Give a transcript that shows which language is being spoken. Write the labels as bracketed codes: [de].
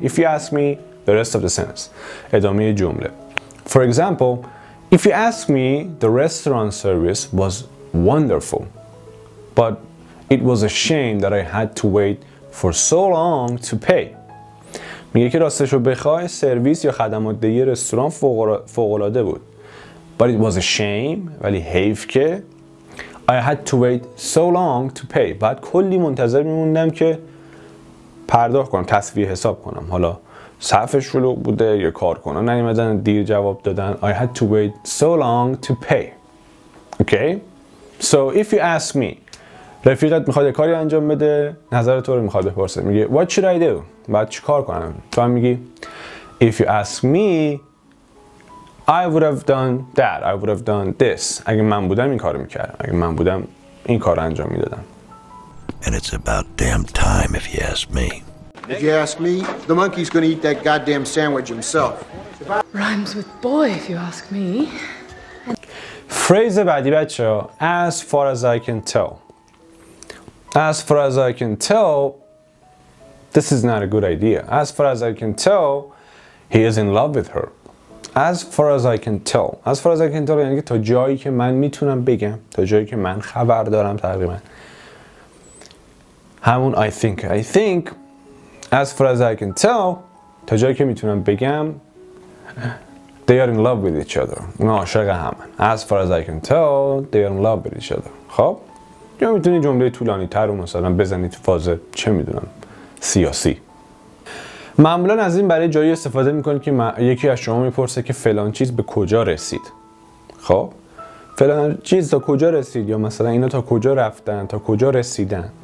[en] If you ask me, the rest of the sentence. [fa] ادامه جمله. [en] For example, if you ask me, the restaurant service was wonderful, but it was a shame that I had to wait for so long to pay. [fa] میگه که راستشو بخوای، سرویس یا خدمات دهی رستوران فوق‌العاده بود. [en] But it was a shame, [fa] ولی حیف که، [en] I had to wait so long to pay. [fa] بعد کلی منتظر میموندم که پرداخت کنم، تسویه حساب کنم. حالا صفش شلوغ بوده یا کارکنان نیومدن، دیر جواب دادن. [en] I had to wait so long to pay. Okay. So if you ask me, [fa] رفیقت میخواد یه کاری انجام بده، نظر تو رو میخواد بپرسه. میگه [en] what should I do؟ [fa] باید چی کار کنم؟ تو هم میگی [en] if you ask me, I would have done that. I would have done this. [fa] اگه من بودم این کارو میکردم. اگه من بودم این کارو انجام میدادم. [en] And it's about damn time if you ask me. If you ask me, the monkey's gonna eat that goddamn sandwich himself. Rhymes with boy if you ask me. [fa] فریز بعدی بچه ها [en] As far as I can tell. As far as I can tell, this is not a good idea. As far as I can tell, he is in love with her. As far as I can tell. As far as I can tell [fa] یعنی که تا جایی که من میتونم بگم، تا جایی که من خبر دارم تقریبا. همون [en] I think. As far as I can tell, [fa] تا جایی که میتونم بگم، [en] they are in love with each other. [fa] اونا عاشق همن. [en] As far as I can tell, they are in love with each other. [fa] خب؟ یا میتونی جمله طولانی تر رو مثلا بزنی تو فاز چه میدونم سیاسی. معمولا از این برای جایی استفاده میکنی که یکی از شما میپرسه که فلان چیز به کجا رسید. خب فلان چیز تا کجا رسید یا مثلا اینا تا کجا رفتن تا کجا رسیدن.